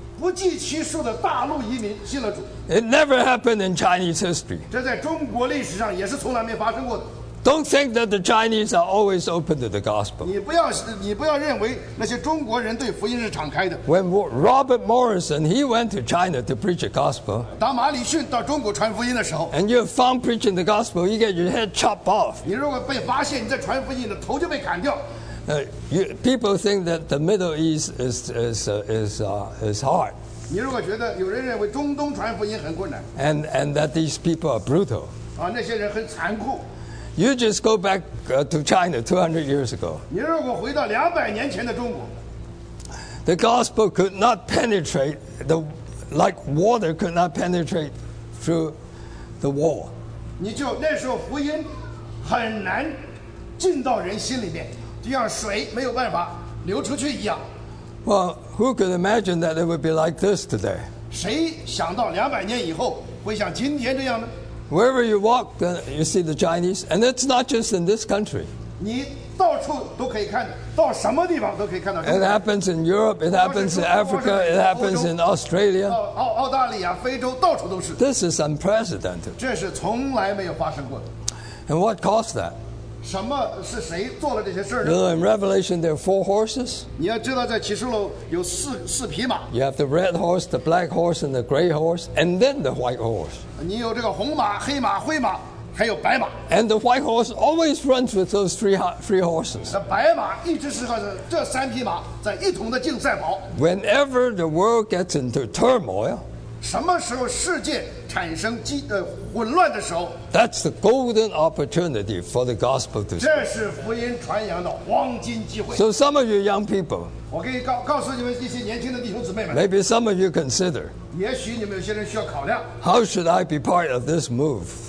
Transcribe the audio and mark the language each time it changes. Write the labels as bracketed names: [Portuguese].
[Chinese] 不计其数的大陆移民信了主。 [English] It never happened in Chinese history. [Chinese] 这在中国历史上也是从来没发生过的。 [English] Don't think that the Chinese are always open to the gospel. [Chinese] 你不要认为那些中国人对福音是敞开的。 [English] When Robert Morrison he went to China to preach the gospel. [Chinese] 当马里逊到中国传福音的时候。 [English] And you're found preaching the gospel, you get your head chopped off. [Chinese] 你如果被发现你在传福音，你的头就被砍掉。 [English] People think that the Middle East is hard. [Chinese] 你如果觉得有人认为中东传福音很困难 [English] ，and that these people are brutal. [Chinese] 那些人很残酷。 [English] You just go back to China 200 years ago. [Chinese] 你如果回到200年前的中国 [English] ，the gospel could not penetrate the like water could not penetrate through the wall. [Chinese] 你就那时候福音很难进到人心里面。就像水没有办法流出去一样。 [English] Well, who could imagine that it would be like this today? [Chinese] 谁想到200年以后会像今天这样呢？ [English] Wherever you walk, you see the Chinese, and it's not just in this country. [Chinese] 你到处都可以看，到什么地方都可以看到。 [English] It happens in Europe. It happens in Africa. It happens in Australia. [Chinese] 澳大利亚、非洲到处都是。 [English] This is unprecedented. [Chinese] 这是从来没有发生过的。 [English] And what caused that? [Chinese] 什么是谁做了这些事儿呢？ [English] You know, in Revelation, there are four horses. [Chinese] 你要知道，在启示录有四匹马。 [English] You have the red horse, the black horse, and the gray horse, and then the white horse. [Chinese] 你有这个红马、黑马、灰马。还有白马 [English] ，and the white horse always runs with those three horses. [Chinese] 那白马一直是和这三匹马在一同的竞赛跑。 [English] Whenever the world gets into turmoil, [Chinese] 什么时候世界产生混乱的时候 [English] ，that's the golden opportunity for the gospel to spread. [Chinese] 这是福音传扬的黄金机会。 [English] So some of you young people, [Chinese] 我可以告诉你们一些年轻的弟兄姊妹们 [English] ，maybe some of you consider, [Chinese] 也许你们有些人需要考量 [English] ，how should I be part of this move?